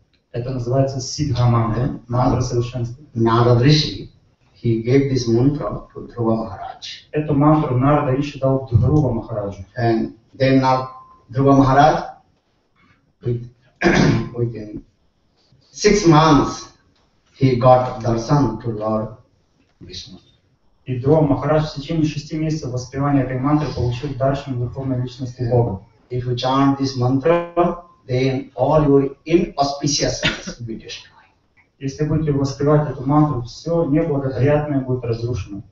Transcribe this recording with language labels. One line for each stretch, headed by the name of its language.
Russian: Это называется Сидха Мантра, Мантра Совершенства.
English: Narada Rishi, he gave this mantra to Dhruva Maharaj.
Russian: Эту мантру Нарада Риши дал Дхрува Махараджу.
English: And then now Dhruva Maharaj, within 6 months, he got darshan to Lord Vishnu.
Russian: И Дхрува Махарадж в течение 6 месяцев воспевания этой мантры получил даршан Верховной Личности Бога.
English: If you chant this mantra, then all your inauspiciousness will be destroyed.
Russian: Если будете воспевать эту мантру, все неблагоприятное будет разрушено.